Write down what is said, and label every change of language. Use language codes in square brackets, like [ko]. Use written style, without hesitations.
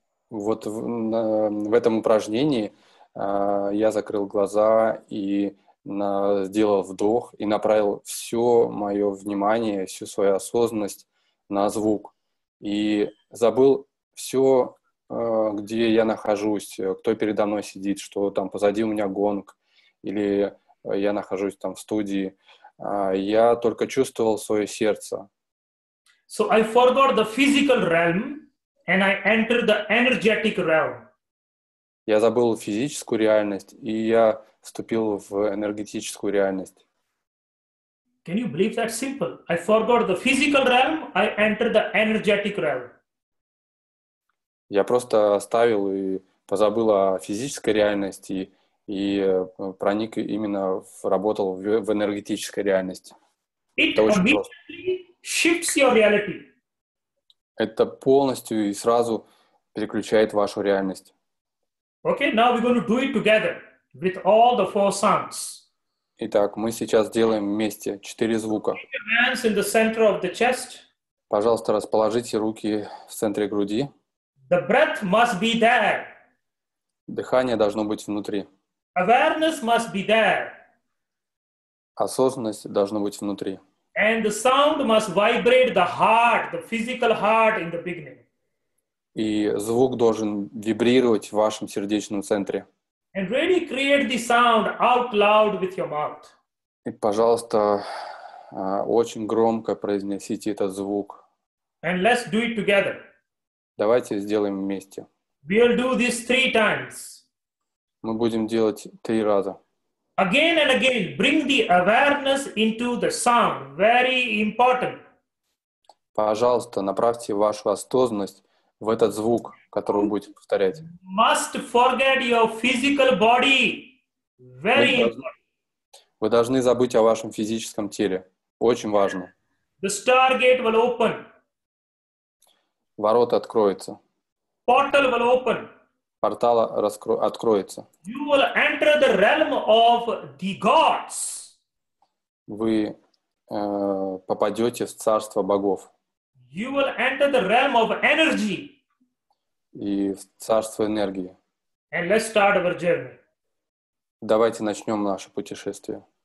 [ru] Вот в этом упражнении я закрыл глаза и сделал вдох и направил все мое внимание, всю свою осознанность на звук. И забыл все, где я нахожусь, кто передо мной сидит, что там позади у меня гонг, или я нахожусь там в студии. Я только чувствовал свое сердце. [en] So I forgot the physical realm and I entered the energetic realm. [ru] Я забыл физическую реальность, и я вступил в энергетическую реальность. [en] Can you believe that simple? I forgot the physical realm, I entered the energetic realm. [ru] Я просто оставил и позабыл о физической реальности и проник именно, работал в энергетической реальности. Это очень просто. [en] Shifts your reality. [ru] Это полностью и сразу переключает вашу реальность. [en] Okay, now we're going to do it together with all the four sounds. [ru] Итак, мы сейчас делаем вместе четыре звука. [en] Put your hands in the center of the chest. [ru] Пожалуйста, расположите руки в центре груди. [en] The breath must be there. [ru] Дыхание должно быть внутри. [en] Awareness must be there. [ru] Осознанность должна быть внутри. [en] And the sound must vibrate the heart, the physical heart in the beginning. [ru] И звук должен вибрировать в вашем сердечном центре. [en] And really create the sound out loud with your mouth. [ru] И, пожалуйста, очень громко произнесите этот звук. [en] And let's do it together. [ru] Давайте сделаем вместе. [en] We'll do this three times. [ru] Мы будем делать три раза. [en] Again and again, bring the awareness into the sound. Very important. [ru] Пожалуйста, направьте вашу осознанность в этот звук, который вы будете повторять. [en] Must forget your physical body. Very important. [ru] Вы должны забыть о вашем физическом теле. Очень важно. [en] The star gate will open. [ru] Ворота откроются. [en] Portal will open. [ru] Портала откроется. [en] You will enter the realm of the gods. [ru] Вы попадете в царство богов. [en] You will enter the realm of energy. [ru] И в царство энергии. [en] And let's start our journey. [ru] Давайте начнем наше путешествие.